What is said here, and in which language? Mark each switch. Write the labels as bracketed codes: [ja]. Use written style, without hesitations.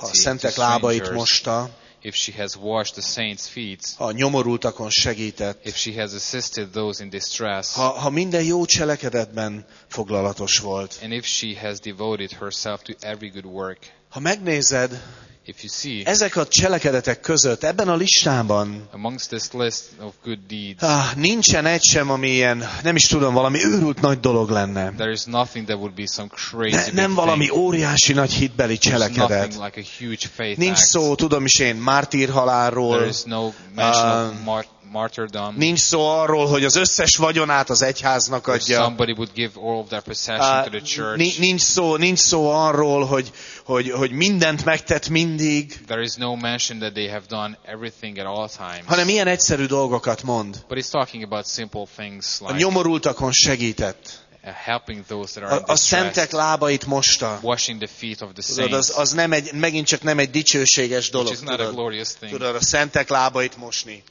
[hu] ha a szentek lábait mosta, [en] if she has washed the saints' feet, [hu] ha a nyomorultakon segített, [en] if she has assisted those in distress, [hu] ha minden jó cselekedetben foglalatos volt, [en] and if she has devoted herself to every good work, [hu] Ha megnézed, [en] if you see, [hu] ezek a cselekedetek között, ebben a listában, [en] amongst this list of good deeds, [hu] nincsen egy sem, ami ilyen, nem is tudom, valami őrült nagy dolog lenne. [en] There is nothing that would be some crazy [hu] nem valami [en] thing. [hu] Óriási nagy hitbeli cselekedet. [en] There's nothing like a huge faith [hu] nincs [en] act. [hu] Szó, tudom is én, mártír halálról. [en] There is no mention of martyrdom. [hu] Nincs szó arról, hogy az összes vagyonát az egyháznak adja. [en] Somebody would give all of their possession to the church. [hu] Nincs szó arról, hogy mindent megtett mindig. [en] There is no mention that they have done everything at all times. [hu] Hanem ilyen egyszerű dolgokat mond. [en] But he's talking about simple things like [hu] a nyomorultakon segített. [en] Helping those that are [hu] a szentek lábait mosta. [en] Washing the feet of the saints. [hu] Tudod, az nem egy, megint csak nem egy dicsőséges dolog. [en] Which is not a glorious thing. [hu] Tudod, a szentek lábait mosni.